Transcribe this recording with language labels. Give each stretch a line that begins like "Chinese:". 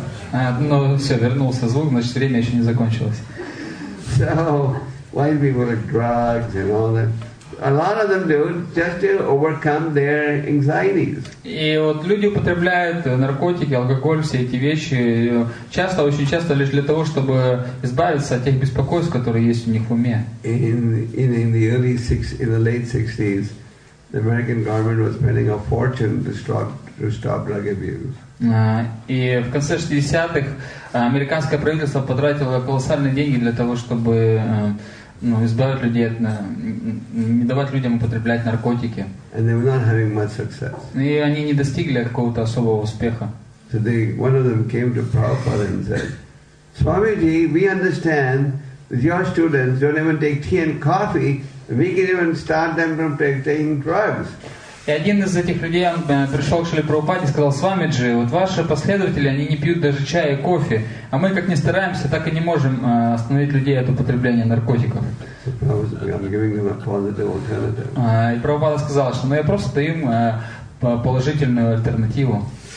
Russian: Но все, вернулся звук, значит, время еще не закончилось.
English: So, why do people take drugs and all that? A lot of them do just to overcome their anxieties.
Russian: И вот люди употребляют наркотики, алкоголь, все эти вещи часто, очень часто лишь для того, чтобы избавиться от тех беспокойств, которые есть у них в уме.
English: In the late 60s, the American government was spending a fortune to stop drug abuse.
Russian: И в конце 60-х американское правительство потратило колоссальные деньги для того, чтобы избавить людей от, не давать людям употреблять наркотики.
English: And they were not having much success.
Russian: И они не достигли какого-то особого успеха.
English: So they, one of them came to Prabhupada and said, Swamiji, we understand that your students don't even take tea and coffee, we can even start them from taking drugs.
Russian: И один из этих людей пришел к Шриле Прабхупаде и сказал, Свамиджи, вот ваши последователи, они не пьют даже чая и кофе, а мы как ни стараемся, так и не можем остановить людей от употребления наркотиков. И Прабхупада сказал, что я просто даю им положительную альтернативу.